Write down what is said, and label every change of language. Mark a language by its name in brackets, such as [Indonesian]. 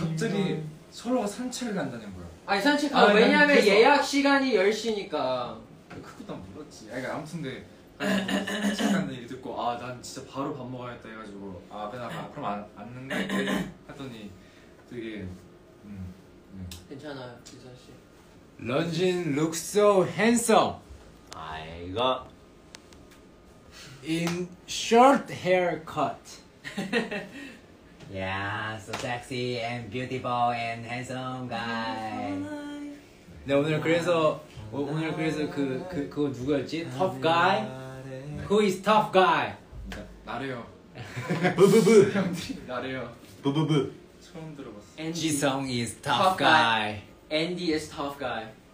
[Korean] 갑자기 서로가 산책을 간다는 거야. 아니 산책 아 왜냐면 그래서 예약 시간이 10시니까 그것도 안 물었지. 아니 아무튼 근데 산책 간다는 얘기 듣고 난 진짜 바로 밥 먹어야겠다 해가지고 그럼 안 왔는데? 하더니 되게 괜찮아요 지선씨. [English] 런쥔 looks so handsome. [Korean] 아이가 [English] in short haircut. Yeah, so sexy and beautiful and handsome guy. [Korean] 네, 오늘 그래서 오늘 그래서 그 누구였지? [English] Tough guy? Who is tough guy? [Korean] 나래요. 부부부. 형들이 나래요. 부부부. 처음 들어봤어. [English] Andy. Jisung is tough guy. Andy is tough guy.